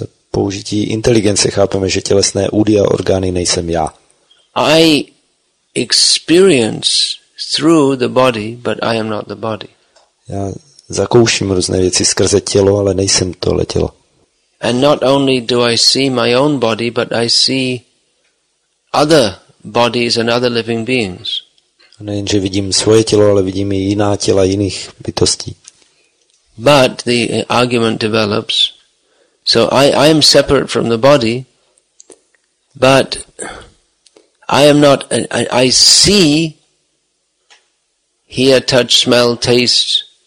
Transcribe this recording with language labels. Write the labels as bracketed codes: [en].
[cs] Použití inteligence chápeme, že tělesné údy a orgány nejsem já. [en] I experience through the body, but I am not the body. [cs] Já zakouším různé věci skrze tělo, ale nejsem tohle tělo. [en] And not only do I see my own body, but I see other bodies and other living beings. [cs] A nejenže vidím svoje tělo, ale vidím i jiná těla jiných bytostí. [en] But the argument develops. So I am separate from the body, but I am not. I see, hear, touch, smell, taste.